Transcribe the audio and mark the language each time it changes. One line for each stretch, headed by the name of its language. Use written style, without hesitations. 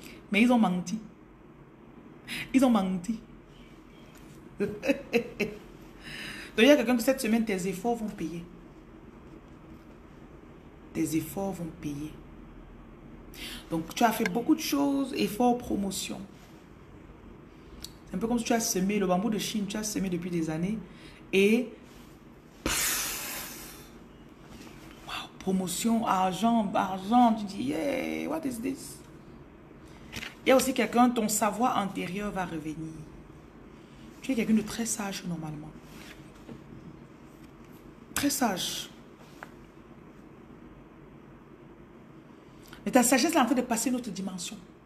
French: Mais ils ont menti. Ils ont menti. Donc il y a quelqu'un que cette semaine, tes efforts vont payer. Tes efforts vont payer. Donc tu as fait beaucoup de choses, efforts, promotion. C'est un peu comme si tu as semé le bambou de Chine, tu as semé depuis des années. Et promotion, argent, argent, tu dis,
English: yeah, what is this?
French: Il y a aussi quelqu'un, ton savoir antérieur va revenir. Tu es quelqu'un de très sage normalement. Très sage. Mais ta sagesse est en train de passer une autre dimension.